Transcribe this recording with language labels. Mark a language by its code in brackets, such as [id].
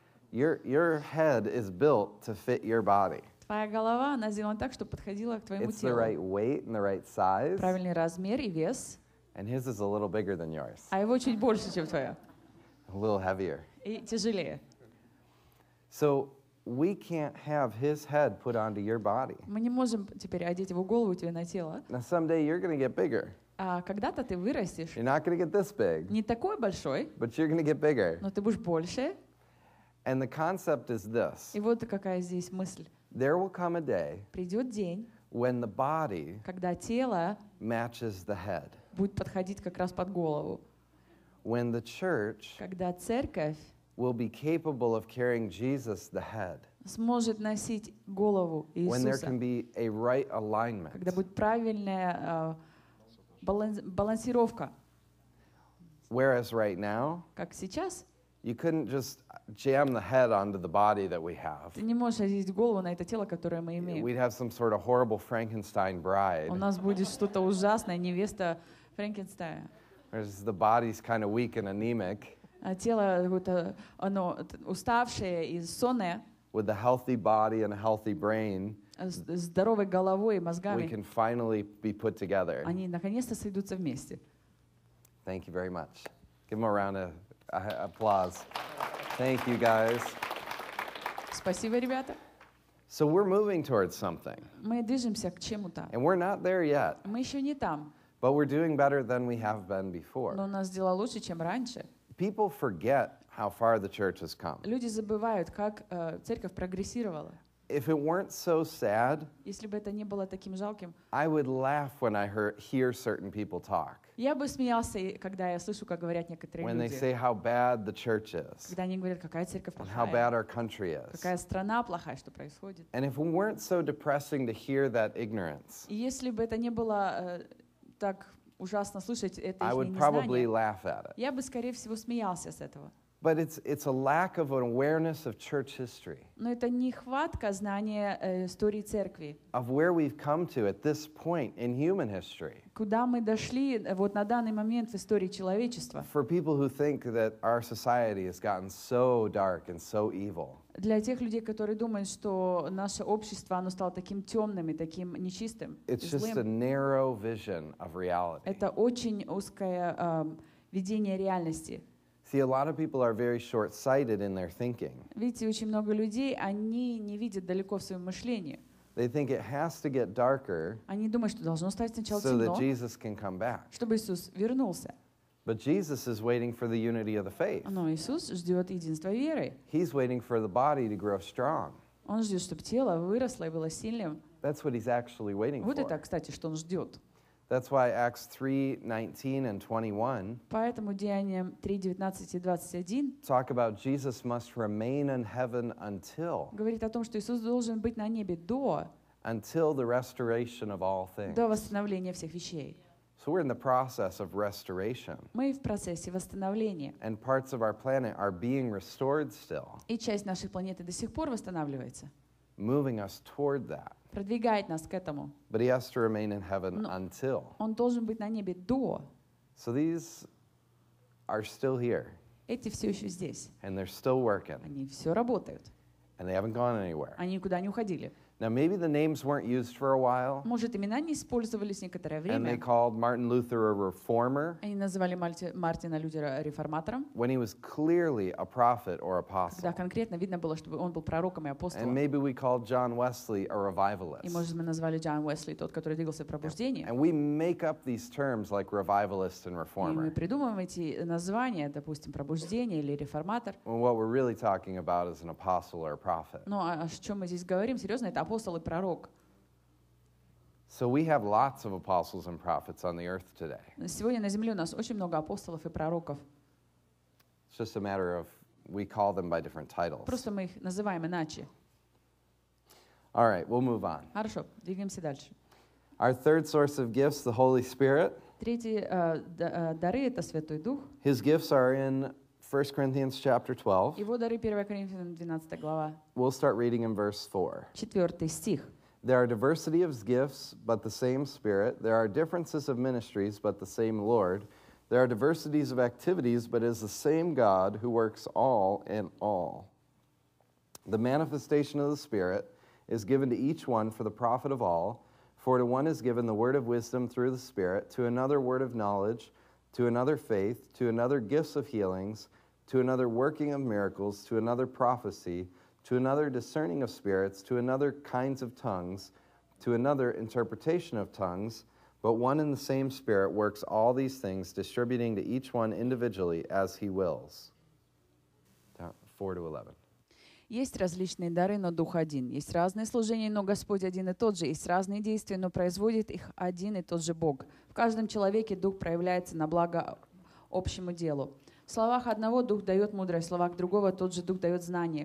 [en] Your head is built to fit your body. [ru] Твоя голова, она сделана так, чтобы подходила к твоему [en] It's [ru] телу. [en] The right weight and the right size. [ru] Правильный размер и вес. [en] And his is a little bigger than yours. [ru] А его чуть больше, чем твоя. [en] A little heavier. [ru] И тяжелее. [en] So we can't have his head put onto your body. [ru] Мы не можем теперь одеть его голову тебе на тело. [en] Now someday you're going to get bigger. [ru] А когда-то ты вырастешь. [en] You're not going to get this big. [ru] Не такой большой. [en] But you're going to get bigger. [ru] Но ты будешь больше. [en] And the concept is this. [ru] И вот какая здесь мысль. [en] There will come a day [ru] день, [en] when the body [ru] когда тело [en] matches the head. [ru] Будет подходить как раз под голову. [en] When the church [ru] когда церковь [en] will be capable of carrying Jesus the head. [ru] Сможет носить голову Иисуса. [en] When there can be a right alignment. [ru] Когда будет правильная балансировка. [en] Whereas right now [ru] как сейчас [en] you couldn't just jam the head onto the body that we have. [ru] Ты не можешь одеть голову на это тело, которое мы имеем. [en] We'd have some sort of horrible Frankenstein bride. [ru] У нас будет что-то ужасное, невеста Франкенштейна. [en] Whereas the body's kind of weak and anemic. [ru] А тело какое-то, оно уставшее и сонное. [en] With a healthy body and a healthy brain. [ru] Здоровой головой и мозгами. [en] We can finally be put together. [ru] Они наконец-то сойдутся вместе. [en] Thank you very much. Give them a round of applause. Thank you, guys. [ru] Спасибо, ребята. [en] So we're moving towards something. [ru] Мы движемся к чему-то. [en] And we're not there yet. [ru] Мы еще не там. [en] But we're doing better than we have been before. [ru] Но у нас дела лучше, чем раньше. [en] People forget how far the church has come. [ru] Люди забывают, как церковь прогрессировала. [en] If it weren't so sad, [ru] если бы это не было таким жалким, [en] I would laugh when I hear certain people talk. [ru] Я бы смеялся, когда я слышу, как говорят некоторые люди. [en] When they say how bad the church is. [ru] Когда они говорят, какая церковь плохая. [en] And how bad our country is. [ru] Какая страна плохая, что происходит. [en] And if it weren't so depressing to hear that ignorance. [ru] Если бы это не было так ужасно слышать это их незнание. [en] I would probably laugh at it. [ru] Я бы скорее всего смеялся с этого. [en] But it's a lack of an awareness of church history. [ru] Но это нехватка знания истории церкви. [en] Of where we've come to at this point in human history. [ru] Куда мы дошли вот на данный момент в истории человечества. [en] For people who think that our society has gotten so dark and so evil. [ru] Для тех людей, которые думают, что наше общество оно стало таким темным и таким нечистым. [en] It's just a narrow vision of reality. [ru] Это очень узкое видение реальности. [en] See, a lot of people are very short-sighted in their thinking. [ru] Видите, очень много людей, они не видят далеко в своем мышлении. [en] They think it has to get darker. [ru] Они думают, что должно стать сначала темно. [en] So that Jesus can come back. [ru] Чтобы Иисус вернулся. [en] But Jesus is waiting for the unity of the faith. [ru] Но Иисус ждет единства веры. [en] He's waiting for the body to grow strong. [ru] Он ждет, чтобы тело выросло и было сильным. [en] That's what he's actually waiting [ru] вот [en] for. [ru] Вот это, кстати, что он ждет. [en] That's why Acts 3:19 and 21. [ru] Поэтому Деяниям 3:19 и 21. [en] Talk about Jesus must remain in heaven until. [ru] Говорит о том, что Иисус должен быть на небе до. [en] Until the restoration of all things. [ru] До восстановления всех вещей. [en] So we're in the process of restoration. [ru] Мы в процессе восстановления. [en] And parts of our planet are being restored still. [ru] И часть нашей планеты до сих пор восстанавливается. [en] Moving us toward that. [ru] Продвигает нас к этому. [en] But he has to remain in heaven until. [ru] Он должен быть на небе до. [en] So these are still here. [ru] Эти все еще здесь. [en] And they're still working. [ru] Они все работают. [en] And they haven't gone anywhere. [ru] Они никуда не уходили. [en] Now maybe the names weren't used for a while. [ru] Может, имена не использовались некоторое время. [en] And they called Martin Luther a reformer. [ru] Они называли Мартина Лютера реформатором. [en] When he was clearly a prophet or apostle. [ru] Когда конкретно видно было, чтобы он был пророком и апостолом. [en] And maybe we called John Wesley a revivalist. [ru] И может, мы назвали Джон Уэсли тот, который двигался в пробуждении. [en] And we make up these terms like revivalist and reformer. [ru] И мы придумываем эти названия, допустим, пробуждение или реформатор. [en] And what we're really talking about is an apostle or a prophet. [ru] Ну, а о чем мы здесь говорим, серьезно, это апостол и пророк. [en] So we have lots of apostles and prophets on the earth today. [ru] Сегодня на земле у нас очень много апостолов и пророков. [en] It's just a matter of we call them by different titles. [ru] Просто мы их называем иначе. [en] All right, we'll move on. [ru] Хорошо, двигаемся дальше. [en] Our third source of gifts, the Holy Spirit. [ru] Третий дары это Святой Дух. [en] His gifts are in 1 Corinthians chapter 12. [ru] Его дары 1 Коринфянам 12 глава. [en] We'll start reading in verse 4. [ru] Четвертый стих. [en] There are diversity of gifts, but the same Spirit. There are differences of ministries, but the same Lord. There are diversities of activities, but it is the same God who works all in all. The manifestation of the Spirit is given to each one for the profit of all. For to one is given the word of wisdom through the Spirit, to another word of knowledge, to another faith, to another gifts of healings, to another working of miracles, to another prophecy, to another discerning of spirits, to another kinds of tongues, to another interpretation of tongues. But one and the same Spirit works all these things, distributing to each one individually as he wills. 4-11. [ru] Есть различные дары, но Дух один. Есть разные служения, но Господь один и тот же. Есть разные действия, но производит их один и тот же Бог. В каждом человеке Дух проявляется на благо общему делу. В словах одного Дух дает мудрость, в словах другого тот же Дух дает знание.